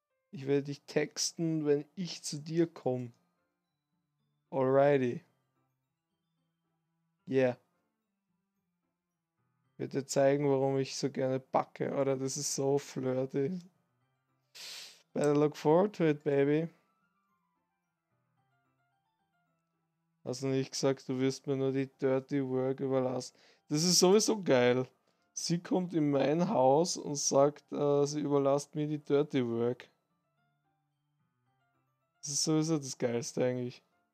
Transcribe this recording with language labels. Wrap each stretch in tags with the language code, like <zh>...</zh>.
<de>Ich werde dich texten, wenn ich zu dir komme.</de> <en>Alrighty. Yeah.</en> <de>Ich werde dir zeigen, warum ich so gerne backe, oder? Das ist so flirty.</de> <en>Better look forward to it, baby.</en> <de>Hast du nicht gesagt, du wirst mir nur die dirty work überlassen? Das ist sowieso geil. Sie kommt in mein Haus und sagt, sie überlasst mir die dirty work. Das ist sowieso das Geilste eigentlich.</de>